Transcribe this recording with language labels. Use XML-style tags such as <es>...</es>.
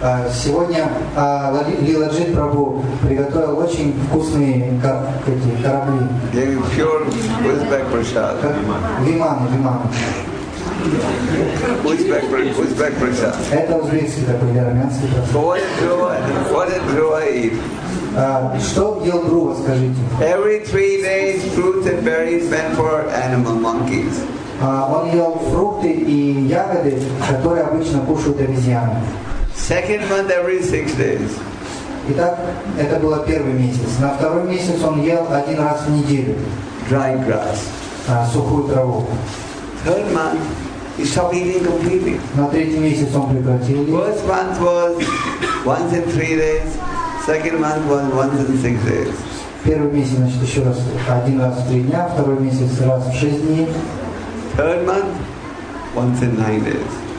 <ru>Сегодня Лила Джит Прабху приготовил очень вкусные эти корабли.</ru> <en>Gave pure Uzbek prasad.</en> <ru>Виманы.</ru> <en>Uzbek prasad.</en> <ru>Это узбекский такой, или армянский</ru> <en>прасад. What did Dhruva eat?</en> <ru>Что ел Друва, скажите?</ru> <en>Every 3 days, fruits and berries meant for animal monkeys.</en> <ru>Он ел фрукты и ягоды, которые обычно кушают обезьяны.</ru> <en>Second month every 6 days.</en> <ru>Итак, это было первый месяц. На второй месяц он ел один раз в неделю.</ru> <en>Dry grass.</en> <ru>Сухую траву.</ru> <en>Third month, he stopped eating completely.</en> <ru>На третий месяц он прекратил.</ru> <en>First month was once in 3 days. Second month was once in 6 days.</en> <ru>Первый месяц, значит, еще раз один раз в 3 дня. Второй месяц раз в 6 дней.</ru> <en>Third month, once in 9 days.</en>